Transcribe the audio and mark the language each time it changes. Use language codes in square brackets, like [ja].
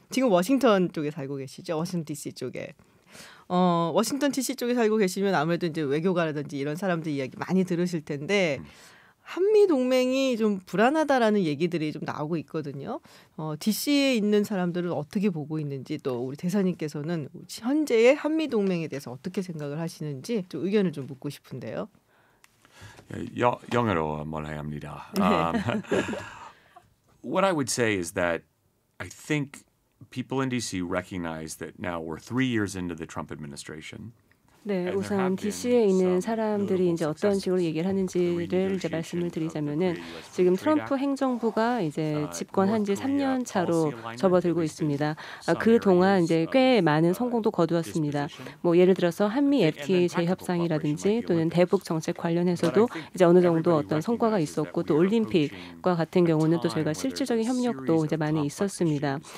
[ko] 지금 워싱턴 쪽에 살고 계시죠? 워싱턴 DC 쪽에. 워싱턴 DC 쪽에 살고 계시면 아무래도 이제 외교가라든지 이런 사람들 이야기 많이 들으실 텐데 한미 동맹이 좀 불안하다라는 얘기들이 좀 나오고 있거든요. DC에 있는 사람들은 어떻게 보고 있는지, 또 우리 대사님께서는 현재의 한미 동맹에 대해서 어떻게 생각을 하시는지 좀 의견을 좀 묻고 싶은데요. 영어로 말해야 합니다. [en] what I would say is that I think people in DC recognize that now we're 3 years into the Trump administration. [ko] 네, 우선 DC에 있는 사람들이 이제 어떤 식으로 얘기를 하는지를 이제 말씀을 드리자면은 지금 트럼프 행정부가 이제 집권한 지 3년 차로 접어들고 있습니다. 그 동안 이제 꽤 많은 성공도 거두었습니다. 뭐 예를 들어서 한미 FTA 재협상이라든지 또는 대북 정책 관련해서도 이제 어느 정도 어떤 성과가 있었고, 또 올림픽과 같은 경우는 또 저희가 실질적인 협력도 이제 많이 있었습니다.